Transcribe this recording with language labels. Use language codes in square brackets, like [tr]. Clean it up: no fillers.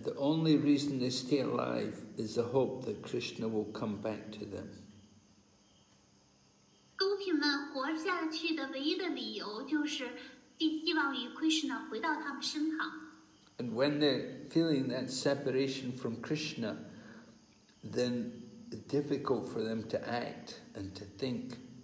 [en] the only reason they stay alive is the hope that Krishna will come back to them. [zh] 勾皮们活下去的唯一的理由就是 [en] And when they're feeling that separation from Krishna, then it's difficult for them to act and to think.